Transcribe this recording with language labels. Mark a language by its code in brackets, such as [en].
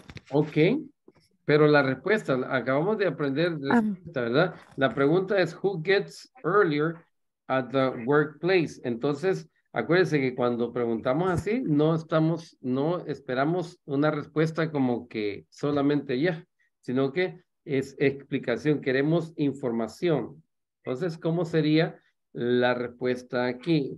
[es] Ok, pero la respuesta, acabamos de aprender, ¿verdad? La pregunta es, [en] who gets earlier at the workplace? [es] Entonces, acuérdense que cuando preguntamos así, no esperamos una respuesta como que solamente ya, sino que es explicación, queremos información. Entonces, ¿cómo sería la respuesta aquí?